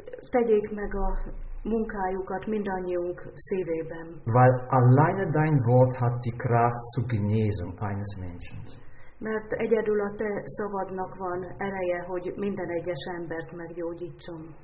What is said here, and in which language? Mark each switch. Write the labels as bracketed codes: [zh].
[hu] Tegyék meg a munkájukat mindannyiunk szívében. [de] Weil alleine dein Wort hat die Kraft zur Genesung eines Menschen. [hu] Mert egyedül a te szavadnak van ereje, hogy minden egyes embert meggyógyítson.